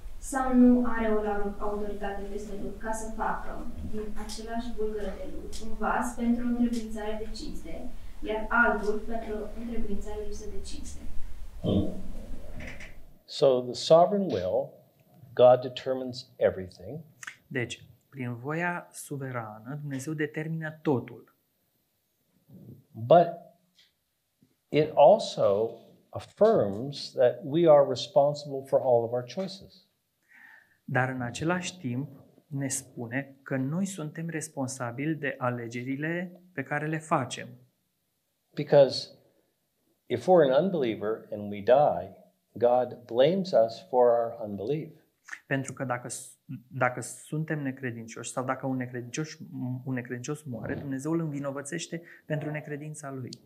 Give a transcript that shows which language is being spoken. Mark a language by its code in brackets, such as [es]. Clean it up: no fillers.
[ro] Sau nu are o autoritate peste lut ca să facă din același bulgăre de lut un vas pentru întrebuințarea de cinste, iar altul pentru întrebuințarea lipsă de cinste? [en] So the sovereign will, God determines everything. [ro] Deci, prin voia suverană, Dumnezeu determină totul. [en] But it also affirms that we are responsible for all of our choices. [ro] Dar în același timp ne spune că noi suntem responsabili de alegerile pe care le facem. [en] Because if we're an unbeliever and we die, God blames us for our unbelief. [ro] Pentru că dacă suntem necredincioși sau dacă un necredincios moare, Dumnezeu îl învinovățește pentru necredința lui.